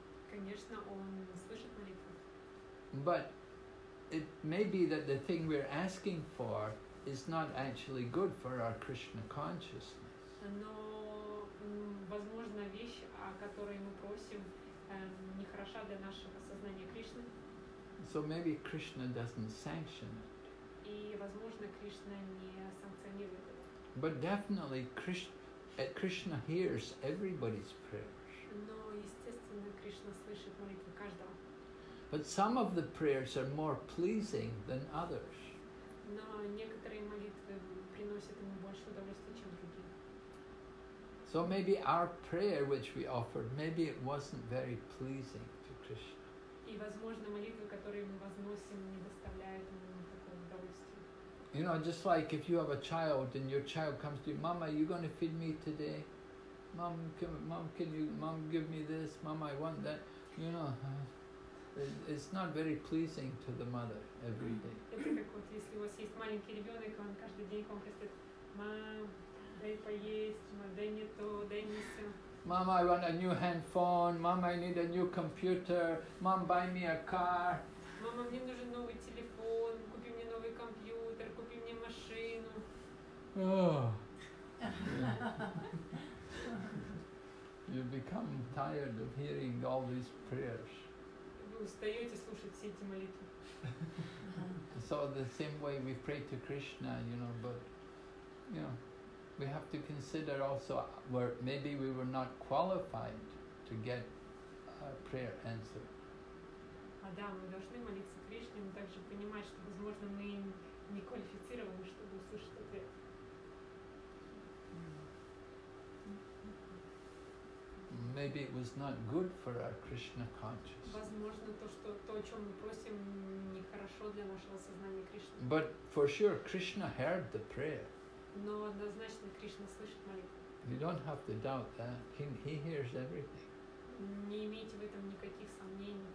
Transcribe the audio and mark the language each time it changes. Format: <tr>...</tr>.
<ru>Конечно, он слышит молитвы.</ru> <en>But it may be that the thing we're asking for is not actually good for our Krishna consciousness.</en> <ru>Но возможно вещь, о которой мы просим, не хороша для нашего сознания Кришны.</ru> <en>So maybe Krishna doesn't sanction it.</en> <ru>И возможно Кришна не санкционирует это.</ru> <en>But definitely Krishna hears everybody's prayers.</en> <ru>Но естественно Кришна слышит молитвы каждого.</ru> <en>But some of the prayers are more pleasing than others.</en> <ru>Но некоторые молитвы приносят ему больше удовольствия, чем другие.</ru> <en>So maybe our prayer which we offered, maybe it wasn't very pleasing to Krishna.</en> <ru>И возможно молитвы, которые мы возносим, не доставляют ему никакого удовольствия.</ru> <en>You know, just like if you have a child and your child comes to you, Mama, are you going to feed me today? Mom, give me this. Mom, I want that. You know, it's not very pleasing to the mother every day.</en> <ru>Это как вот, если у вас есть маленький ребенок, он каждый день вам просит, Мам, дай поесть, Мам, дай мне то, дай мне все.</ru> <en>Mom, I want a new handphone. Mom, I need a new computer. Mom, buy me a car.</en> <ru>Мама, мне нужен новый телефон. Купи мне новый компьютер. Купи мне машину.</ru> <en>You become tired of hearing all these prayers.</en> <ru>Вы устаете слушать все эти молитвы.</ru> <en>So the same way we pray to Krishna, you know, but you know, we have to consider also where maybe we were not qualified to get a prayer answered.</en> <ru>А да, мы должны молиться Кришне, но также понимать, что, возможно, мы не квалифицированы, чтобы услышать ответ.</ru> <en>Maybe it was not good for our Krishna consciousness.</en> <ru>Возможно, то, о чем мы просим, не хорошо для нашего сознания Кришны.</ru> <en>But for sure, Krishna heard the prayer.</en> <ru>Но однозначно Кришна слышит молитву.</ru> <en>You don't have to doubt that. He hears everything.</en> <ru>Не имейте в этом никаких сомнений.</ru>